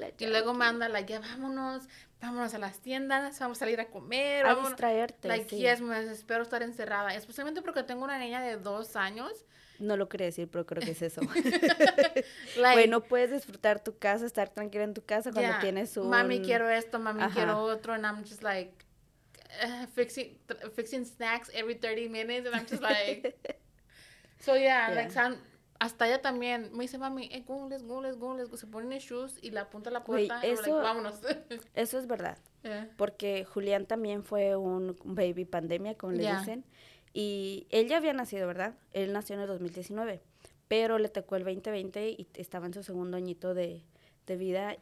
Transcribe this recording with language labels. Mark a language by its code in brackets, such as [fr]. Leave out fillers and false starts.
[es] y luego me anda, ya vámonos a las tiendas, vamos a salir a comer. A distraerte, sí. Yes, me desespero estar encerrada. Especialmente porque tengo una niña de 2 años. No lo quería decir, pero creo que es eso. Bueno, puedes disfrutar tu casa, estar tranquila en tu casa cuando tienes un... Mami, quiero esto, mami, quiero otro, [en] and I'm just like... fixing snacks every 30 minutes, and I'm just like... [es] So, hasta ella también me dice, mami, gungles, se ponen shoes y la apunta a la puerta. Wey, eso, y like, vámonos. Eso es verdad. Porque Julián también fue un baby pandemia, como le dicen. Y él ya había nacido, ¿verdad? Él nació en el 2019, pero le tocó el 2020 y estaba en su segundo añito de vida.